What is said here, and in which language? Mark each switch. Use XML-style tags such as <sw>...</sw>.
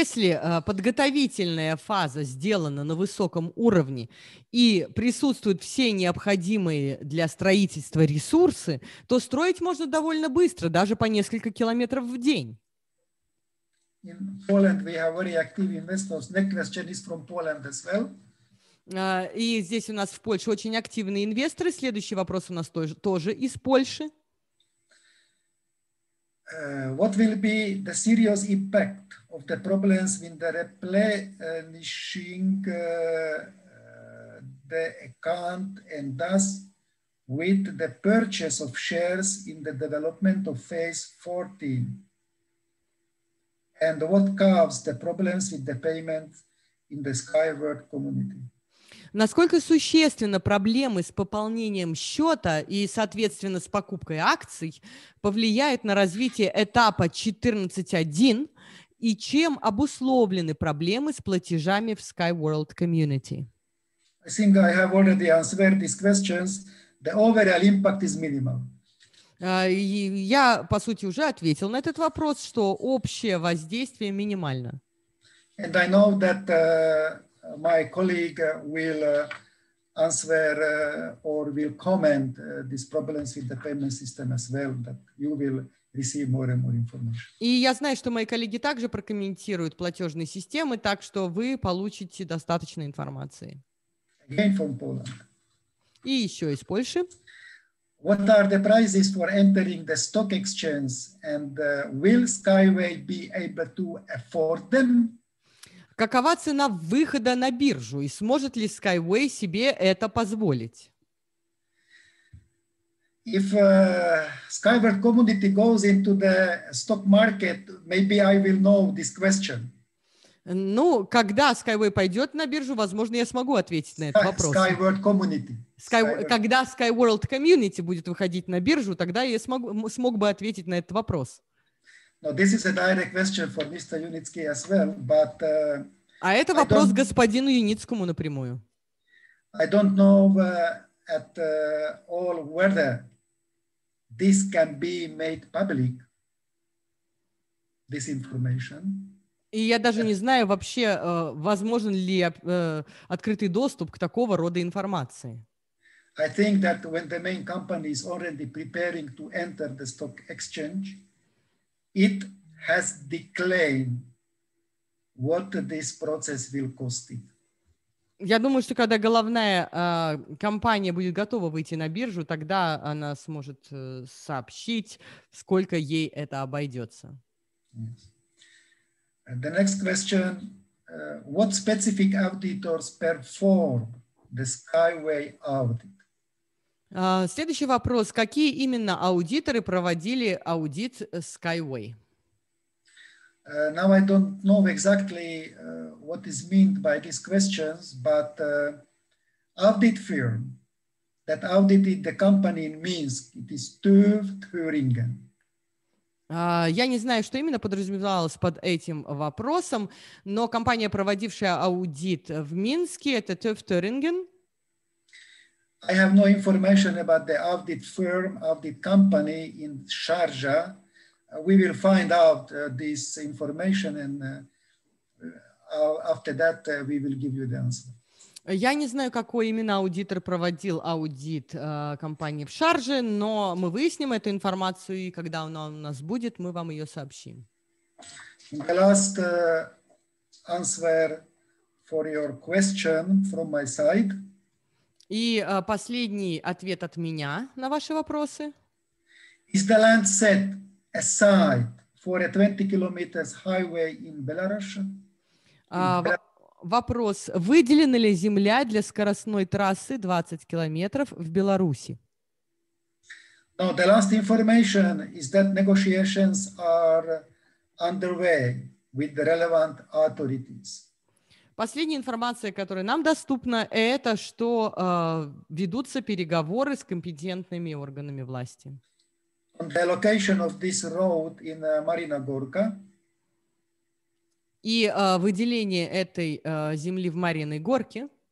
<ru>Если подготовительная фаза сделана на высоком уровне и присутствуют все необходимые для строительства ресурсы, то строить можно довольно быстро, даже по несколько километров в день.</ru> <en>In Poland we have very active investors. Nicholas Chen is from Poland as well.</en> <ru>И здесь у нас в Польше очень активные инвесторы. Следующий вопрос у нас тоже из Польши.</ru> <en>What will be the serious impact of the problems with the replenishing the account and thus with the purchase of shares in the development of phase 14? And what causes the problems with the payment in the Skyward community?</en> <ru>Насколько существенно проблемы с пополнением счета и, соответственно, с покупкой акций повлияют на развитие этапа 14.1 и чем обусловлены проблемы с платежами в Skyworld Community?</ru> <en>I think I have already answered these questions. The overall impact is minimal.</en> <ru>Я, по сути, уже ответил на этот вопрос, что общее воздействие минимально.</ru> <en>And I know that my colleague will answer or will comment these problems with the payment system as well, that you will receive more and more information.</en> <ru>И я знаю, что мои коллеги также прокомментируют платежные системы, так что вы получите достаточно информации.</ru> <en>Again from Poland.</en> <ru>И еще из Польши.</ru> <en>What are the prices for entering the stock exchange and will Skyway be able to afford them?</en> <ru>Какова цена выхода на биржу и сможет ли Skyway себе это позволить?</ru> <en>If Skyward Community goes into the stock market, maybe I will know this question.</en> <ru>Ну, когда Skyway пойдет на биржу, возможно, я смогу ответить на этот вопрос.</ru> <en>Skyward Community.</en> <ru>Когда Skyworld Community будет выходить на биржу, тогда я смог бы ответить на этот вопрос.</ru> <en>No, this is a direct question for Mr. Unitsky as well, but</en> <ru>а это вопрос господину Юницкому напрямую.</ru> <en>I don't know at all whether this can be made public, this information.</en> <ru>И я даже не знаю вообще, возможен ли открытый доступ к такого рода информации.</ru> <en>I think that when the main company is already preparing to enter the stock exchange, it has declined what this process will cost it.</en> <ru>Я думаю, что когда головная компания будет готова выйти на биржу, тогда она сможет сообщить, сколько ей это обойдется.</ru> <en>Yes. The next question. What specific auditors perform the Skyway audit?</en> <ru>Следующий вопрос. Какие именно аудиторы проводили аудит Skyway?</ru> <en>Now I don't know exactly what is meant by these questions, but audit firm that audited the company in Minsk, it is TÜV Thüringen.</en> <ru>Я не знаю, что именно подразумевалось под этим вопросом, но компания, проводившая аудит в Минске, это TÜV Thüringen.</ru> <en>I have no information about the audit firm, audit company in Sharjah. We will find out this information and after that we will give you the answer.</en> <ru>Я не знаю, какой именно аудитор проводил аудит компании в Шарже, но мы выясним эту информацию, и когда она у нас будет, мы вам ее сообщим.</ru> <en>The last answer for your question from my side.</en> <ru>И последний ответ от меня на ваши вопросы.</ru> <en>Is the land set aside for a 20 kilometers highway in Belarus?</en> <ru>Вопрос. Выделена ли земля для скоростной трассы 20 километров в Беларуси?</ru> <en>No, the last information is that negotiations are underway with the relevant authorities.</en> <ru>Последняя информация, которая нам доступна, это что ведутся переговоры с компетентными органами власти.</ru> <en>On the location of this road in Marina Gorka.</en> <ru>И выделение этой земли в Мариной Горке.</ru>